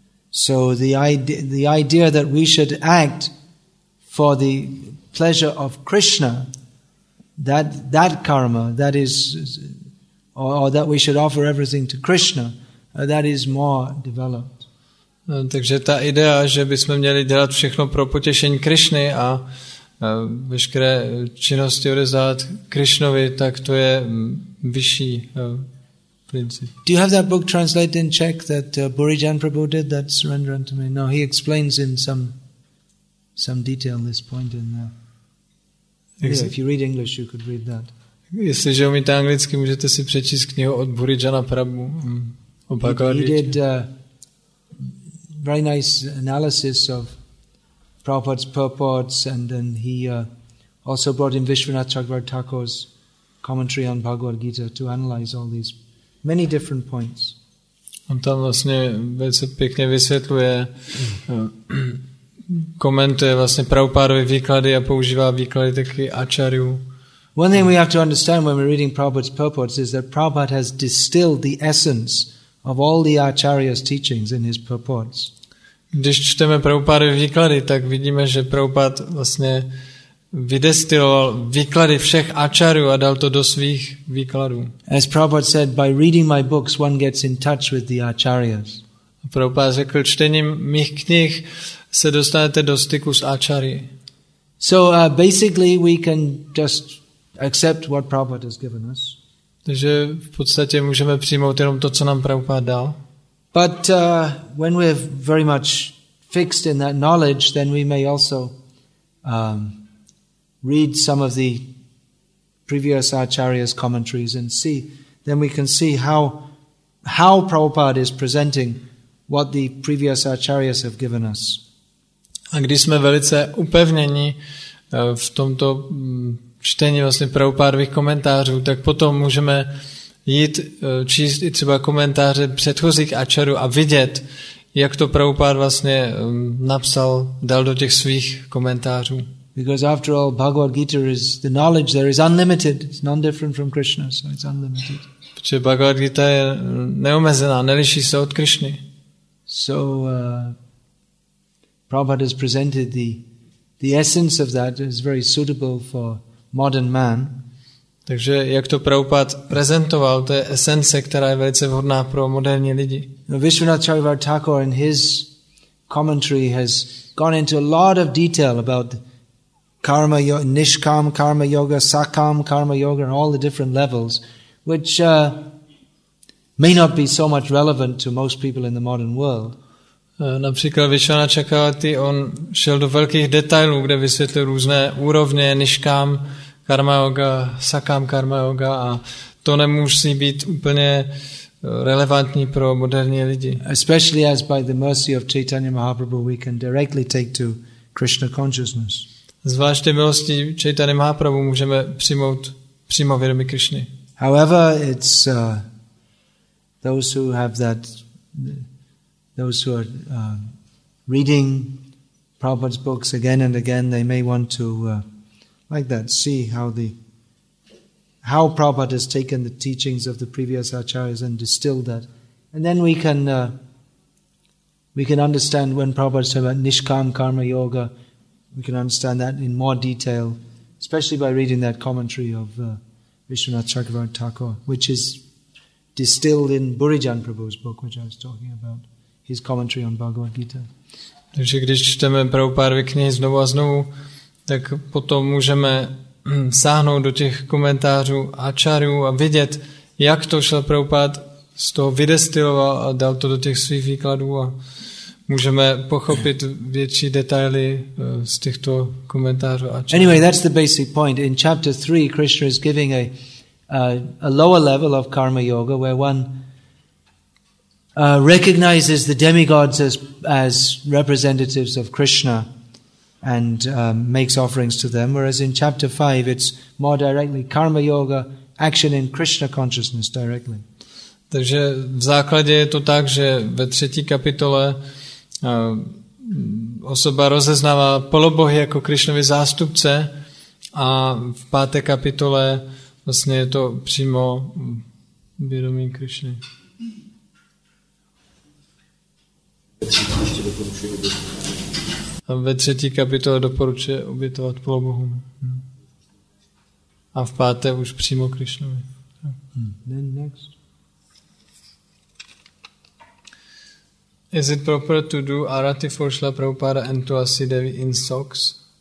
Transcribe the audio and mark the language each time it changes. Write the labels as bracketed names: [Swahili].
[English] So the idea that we should act for the pleasure of Krishna, that karma, that is, or that we should offer everything to Krishna, that is more developed. [Czech] No, takže ta idea, že bychom měli dělat všechno pro potěšení Krishny a veškeré činnosti odezdat Krishnovi, tak to je vyšší princip. [English] Do you have that book translated in Czech that Burijan Prabhu did, that surrender unto me? No, he explains in some detail this point in there. Yes, if you read English, you could read that. [Czech] Jestliže umíte anglicky, můžete si přečíst knihu od Burijana Prabhu o Bhagavad [English] Gita. He did a very nice analysis of Prabhupada's purports, and then he also brought in Vishwanath Chakravarti Thakur's commentary on Bhagavad Gita to analyze all these many different points. [Czech] On tam vlastně velice pěkně vysvětluje, komentuje vlastně Prabhupádovy výklady a používá výklady taky Ačarjů. [English] One thing we have to understand when we're reading Prabhupada's purports is that Prabhupada has distilled the essence of all the Acharya's teachings in his purports. [Czech] Když čteme Prabhupádovy výklady, tak vidíme, že Prabhupáda vlastně vydestiloval výklady všech Acharyů a dal to do svých výkladů. [English] As Prabhupada said, by reading my books one gets in touch with the Acharyas. [Czech] Prabhupáda řekl, čtením mých knih se dostanete do styku s Acharyi. [English] So basically we can just accept what Prabhupada has given us. [Czech] Takže v podstatě můžeme přijmout jenom to, co nám Prabhupáda dal. [English] But when we're very much fixed in that knowledge, then we may also read some of the previous Acharya's commentaries and see, then we can see how Prabhupada is presenting what the previous Acharyas have given us. [Czech] A když jsme velice upevněni v tomto čtení vlastně Prabhupádových komentářů, tak potom můžeme jít číst i třeba komentáře předchozích Acharyů a vidět, jak to Prabhupáda vlastně napsal, dal do těch svých komentářů. [English] Because after all, Bhagavad Gita is the knowledge there is unlimited. It's non-different from Krishna, so it's unlimited. [Czech] Protože Bhagavad Gita je neomezená, neliší se od Krishny. [English] So Prabhupada has presented the essence of that is very suitable for modern man. [Czech] Takže jak to Prabhupád prezentoval, to je esence, která je velice vhodná pro moderní lidi. [English] Vishwanath Chakravarti Thakur in his commentary has gone into a lot of detail about karma, nishkam, karma yoga, sakam, karma yoga, and all the different levels, which may not be so much relevant to most people in the modern world. [Czech] Například Vishwanath Chakravarti, on šel do velkých detailů, kde vysvětlil různé úrovně nishkam, karma yoga, sakam karma yoga, a to nemusí být úplně relevantní pro moderní lidi. [English] Especially as by the mercy of Chaitanya Mahaprabhu we can directly take to Krishna consciousness. [Czech] Zvláště milostí Chaitanya Mahaprabhu můžeme přijmout přímo vědomí Krishny. [English] However, it's those who have that, those who are reading Prabhupada's books again and again, they may want to like that, see how Prabhupada has taken the teachings of the previous Acharyas and distilled that. And then we can understand when Prabhupada is talking about Nishkam Karma Yoga, we can understand that in more detail, especially by reading that commentary of Vishwanath Chakravarti Thakur, which is distilled in Burijan Prabhu's book, which I was talking about, his commentary on Bhagavad Gita. [Czech] Takže když čteme Prabhupádovy knihy znovu a znovu, tak potom můžeme sáhnout do těch komentářů Acharyů a vidět, jak to šel Prabhupád z toho vydestiloval a dal to do těch svých výkladů, a můžeme pochopit větší detaily z těchto komentářů Acharyů. [English] Anyway, that's the basic point. In chapter 3, Krishna is giving a lower level of karma yoga where one recognizes the demigods as representatives of Krishna and makes offerings to them, whereas in chapter 5 it's more directly karma yoga, action in Krishna consciousness directly. [Czech] Takže v základě je to tak, že ve třetí kapitole osoba rozeznává polobohy jako Krišnovy zástupce a v páté kapitole vlastně je to přímo vědomí Krišny. Ve třetí kapitole doporučuje obětovat polobohům. A v páté už přímo Krišnovi. [English] Is it proper to do arati for Śrīla Prabhupāda and Tulasi Devi in socks?